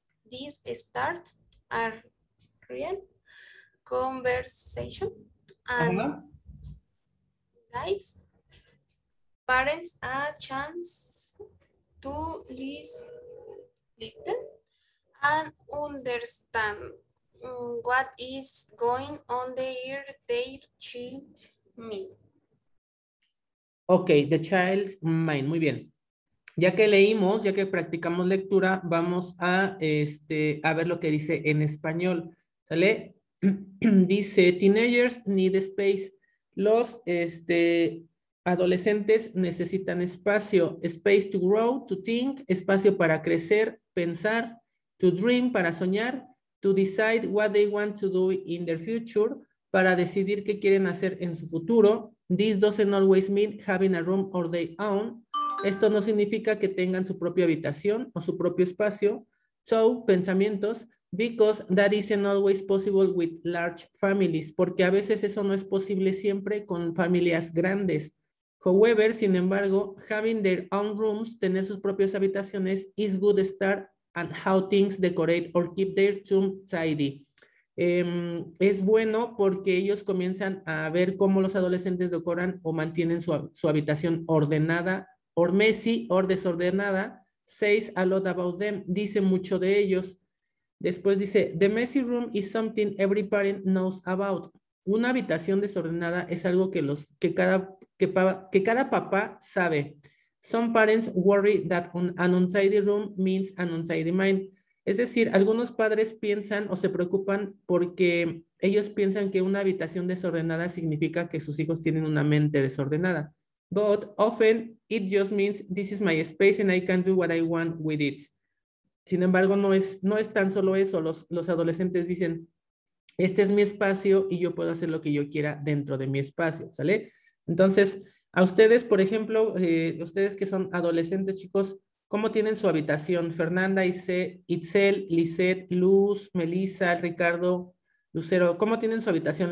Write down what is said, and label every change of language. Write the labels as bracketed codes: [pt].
[en] This starts a real conversation and guides parents a chance to listen and understand what is going on there, their child's mind. Okay, the child's mind. [es] Muy bien. Ya que leímos, ya que practicamos lectura, vamos a ver lo que dice en español. ¿Sale? Dice, [en] teenagers need space. [es] Los adolescentes necesitan espacio. [en] Space to grow, to think, [es] espacio para crecer, pensar, [en] to dream, [es] para soñar, [en] to decide what they want to do in their future, [es] para decidir qué quieren hacer en su futuro. [en] This doesn't always mean having a room or their own. [es] Esto no significa que tengan su propia habitación o su propio espacio. So, pensamientos, [en] because that isn't always possible with large families, [es] porque a veces eso no es posible siempre con familias grandes. [en] However, [es] sin embargo, [en] having their own rooms, [es] tener sus propias habitaciones, [en] is good start and how things decorate or keep their room tidy. [es] Es bueno porque ellos comienzan a ver cómo los adolescentes decoran o mantienen su habitación ordenada, [en] or messy, or [es] desordenada, [en] says a lot about them, [es] dice mucho de ellos. Después dice, [en] the messy room is something every parent knows about. [es] Una habitación desordenada es algo que cada papá sabe. [en] Some parents worry that an untidy room means an untidy mind. [es] Es decir, algunos padres piensan o se preocupan porque ellos piensan que una habitación desordenada significa que sus hijos tienen una mente desordenada. [en] But often it just means this is my space and I can do what I want with it. [es] Sin embargo, no es tan solo eso. Los adolescentes dicen, este es mi espacio y yo puedo hacer lo que yo quiera dentro de mi espacio, ¿sale? Entonces, a ustedes, por ejemplo, ustedes que son adolescentes, chicos, ¿cómo tienen su habitación? Fernanda, Itzel, Lizeth, Luz, Melissa, Ricardo, Lucero, ¿cómo tienen su habitación?